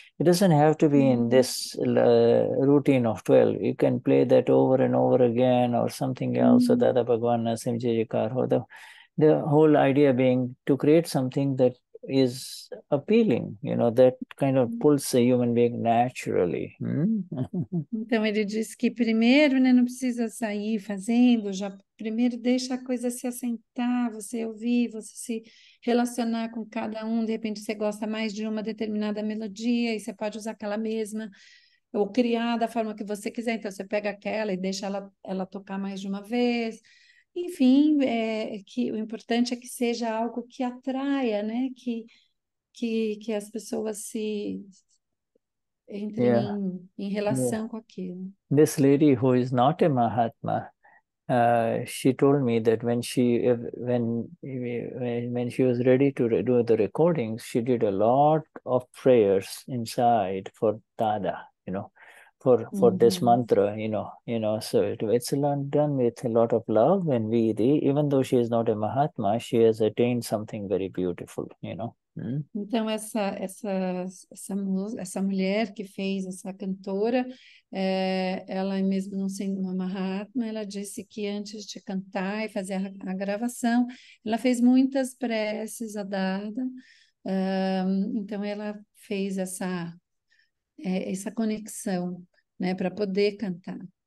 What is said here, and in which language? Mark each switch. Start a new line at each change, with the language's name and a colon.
English: It doesn't have to be in this routine of 12. You can play that over and over again or something else. Mm-hmm. Dada Bhagwan Nasim Jayakarho. The whole idea being to create something that is appealing, you know, that kind of pulls a human being naturally.
Portuguese: Então ele diz que primeiro, né, não precisa sair fazendo, já primeiro deixa a coisa se assentar, você ouvir, você se relacionar com cada um, de repente você gosta mais de uma determinada melodia e você pode usar aquela mesma ou criar da forma que você quiser, então você pega aquela e deixa ela tocar mais de uma vez. Enfim, que o importante é que seja algo que atraia, né? Que as pessoas se entrem em relação com aquilo.
English: This lady who is not a mahatma, She told me that when she was ready to do the recordings, she did a lot of prayers inside for Dada, you know, for mm-hmm. this mantra, you know. So it's done with a lot of love and vidhi. Even though she is not a mahatma, she has attained something very beautiful, you know.
Portuguese: Então essa mulher que fez essa cantora, ela mesmo não sendo uma mahatma, ela disse que antes de cantar e fazer a gravação, ela fez muitas preces a Dada. Então ela fez essa conexão, né, para poder cantar.